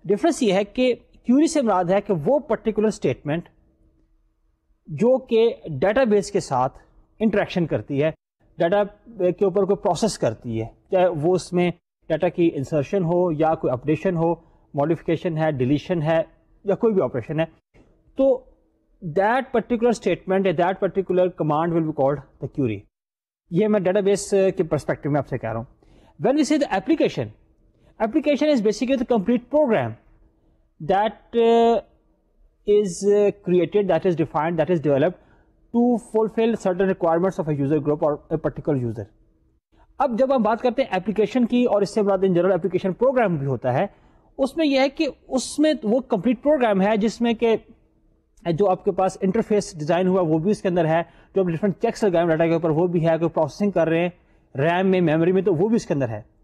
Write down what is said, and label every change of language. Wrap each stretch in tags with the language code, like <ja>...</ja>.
<ur>Difference یہ ہے کہ کیوری سے مراد ہے کہ وہ پرٹیکولر اسٹیٹمنٹ جو کہ ڈیٹا بیس کے ساتھ انٹریکشن کرتی ہے, ڈیٹا کے اوپر کوئی پروسیس کرتی ہے, چاہے وہ اس میں ڈیٹا کی انسرشن ہو یا کوئی اپڈیشن ہو modification ہے, deletion ہے یا کوئی بھی آپریشن ہے, تو</ur> <en>that particular statement</en> <ur>یا</ur> <en>That particular command will be called the query.</en> <ur>یہ میں ڈیٹا بیس کے پرسپیکٹو میں آپ سے کہہ رہا ہوں.</ur> <en>When we see the application, application is basically the complete program that is created, that is defined, that is developed to fulfil certain requirements of a user group اور a particular user.</en> <ur>اب جب ہم بات کرتے ہیں application کی, اور اس سے مراد ان جنرل ایپلیکیشن پروگرام بھی ہوتا ہے, اس میں یہ ہے کہ اس میں وہ کمپلیٹ پروگرام ہے جس میں کہ جو آپ کے پاس انٹرفیس ڈیزائن ہوا وہ بھی اس کے اندر ہے, جو آپ ڈفرنٹ چیکس لگائے ڈاٹا کے اوپر وہ بھی ہے, کوئی پروسیسنگ کر رہے ہیں ریم میں میموری میں تو وہ بھی اس کے اندر ہے.</ur>